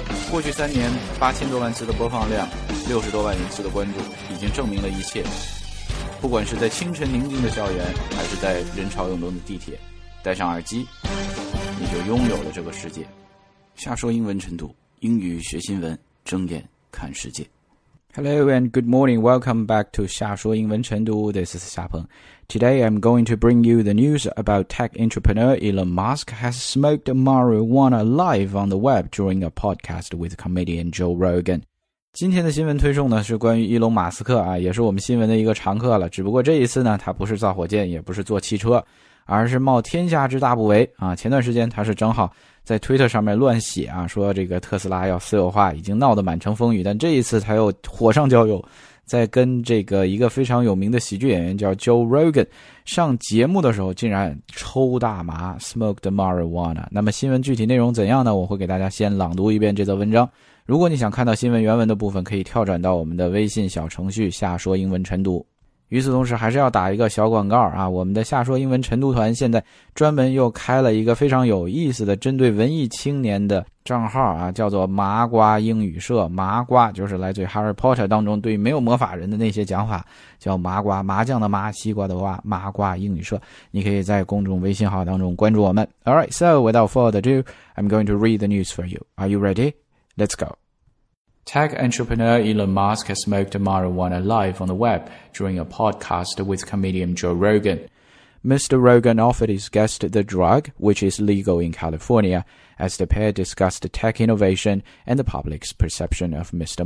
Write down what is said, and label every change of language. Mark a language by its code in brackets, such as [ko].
[zh] 过去三年，8000多万次的播放量，60多万人次的关注，已经证明了一切。不管是在清晨宁静的校园，还是在人潮涌动的地铁，戴上耳机，你就拥有了这个世界。下说英文晨读，英语学新闻，睁眼看世界。 [en] Hello and good morning. Welcome back to 下说英文晨读 This is 夏鹏 Today I'm going to bring you the news about tech entrepreneur Elon Musk has smoked marijuana live on the web during a podcast with comedian Joe Rogan. [zh] 今天的新闻推送呢是关于伊隆马斯克啊，也是我们新闻的一个常客了。只不过这一次呢，他不是造火箭，也不是坐汽车，而是冒天下之大不韪啊。前段时间他是正好在推特上面乱写啊，说这个特斯拉要私有化，已经闹得满城风雨。但这一次他又火上浇油，在跟这个一个非常有名的喜剧演员叫 Joe Rogan 上节目的时候，竟然抽大麻 ， [en] smoked marijuana。 [zh] 那么新闻具体内容怎样呢？我会给大家先朗读一遍这则文章。如果你想看到新闻原文的部分，可以跳转到我们的微信小程序“下说英文晨读”。与此同时还是要打一个小广告啊，我们的下说英文晨读团现在专门又开了一个非常有意思的针对文艺青年的账号啊，叫做麻瓜英语社。麻瓜就是来自于 Harry Potter 当中对没有魔法人的那些讲法，叫麻瓜，麻将的麻，西瓜的瓜，麻瓜英语社。你可以在公众微信号当中关注我们。 [en] Alright, so without further ado, I'm going to read the news for you. Are you ready? Let's go. Tech entrepreneur Elon Musk has smoked marijuana live on the web during a podcast with comedian Joe Rogan. Mr. Rogan offered his guest the drug, which is legal in California, as the pair discussed tech innovation and the public's perception of Mr.